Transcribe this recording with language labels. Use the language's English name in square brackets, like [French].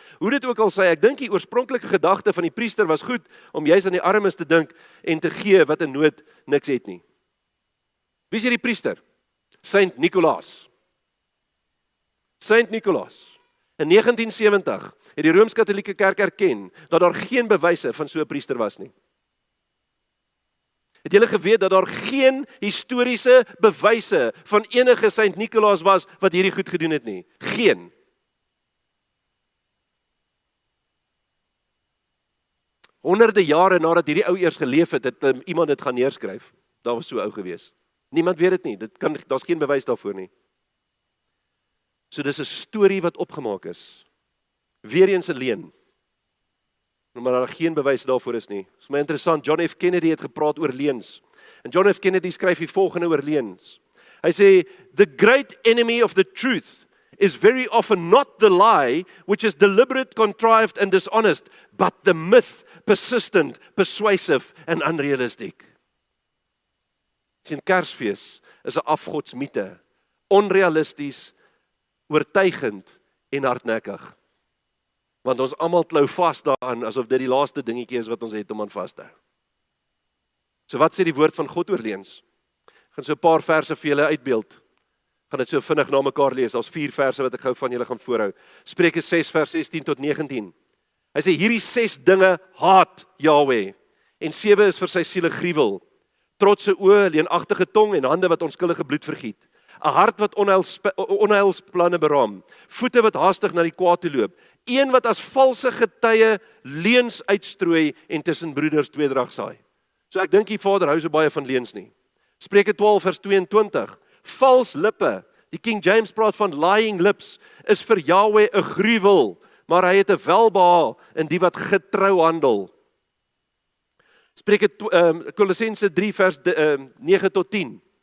[Afrikaans] Hoe dit ook al sê, ek dink die oorspronklike gedagte van die priester was goed om juist aan die armes te dink en te gee wat in nood niks het nie. Wie is hierdie priester? Saint Nicholas. Saint Nicholas, in 1970 het die Rooms-Katolieke Kerk erken dat daar geen bewyse van so 'n priester was nie. Het julle geweet dat daar geen historiese bewyse van enige Saint Nicholas was wat hierdie goed gedoen het nie? Geen. Honderde jare nadat hierdie ou eers geleef het, het iemand dit gaan neerskryf. Daar was so ou gewees. Niemand weet het nie, dit kan, daar is geen bewys daarvoor nie. So dis 'n story wat opgemaak is. Weer eens 'n leen. Maar daar geen bewys daarvoor is nie. Dis my interessant, John F. Kennedy het gepraat oor leens. En John F. Kennedy skryf die volgende oor leens. Hy sê, [English] the great enemy of the truth is very often not the lie, which is deliberate, contrived and dishonest, but the myth, persistent, persuasive and unrealistic. [Afrikaans] Sien, Kersfees is 'n afgodsmiete, onrealisties, oortuigend en hardnekkig. Want ons almal klou vas daaraan, asof dit die laaste dingetjie is wat ons het om aan vas te hou. So wat sê die woord van God oor leens? Gaan so 'n paar verse vir julle uitbeeld. Gaan dit so vinnig na mekaar lees, daar's 4 verse wat ek gou van julle gaan voorhou. Spreuke 6 vers 16 tot 19. Hy sê, hierdie 6 dinge haat Yahweh, en 7 is vir sy siele gruwel. Trotse oë, leenagtige tong en hande wat onskuldige bloed vergiet. 'N hart wat onheilsplanne beraam. Voete wat haastig na die kwaad toe loop. Een wat as valse getuie leens uitstrooi en tussen broeders tweedrag saai. So ek dink die Vader hou so baie van leens nie. Spreuke 12 vers 22. Vals lippe, die King James praat van [English] lying lips, [Afrikaans] is vir Yahweh 'n gruwel, maar hy het 'n welbehae in die wat getrou handel. Spreuke Kolossense 3 vers 9 tot 10.